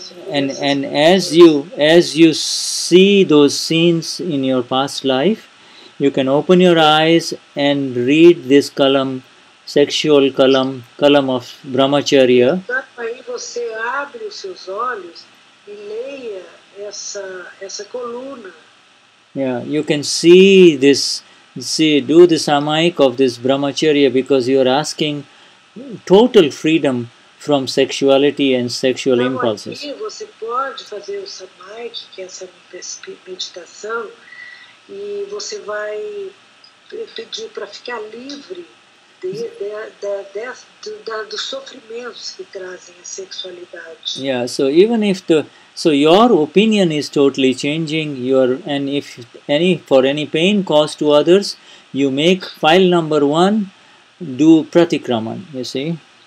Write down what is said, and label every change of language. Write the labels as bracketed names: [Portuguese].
[English] And as you see those scenes in your past life, you can open your eyes and read this kalam, sexual kalam, kalam of brahmacharya. [Portuguese] Aí você abre os seus olhos e leia essa coluna. [English] Yeah, you can do the samayik of this brahmacharya, because you are asking total freedom from sexuality and sexual impulses. [Portuguese] Aqui você pode fazer o samayik, que é essa meditação, e você vai pedir para ficar livre dos sofrimentos que trazem a sexualidade. [English] Yeah, so even if your opinion is totally changing, for any pain caused to others, you make file number one, do pratikraman, you see.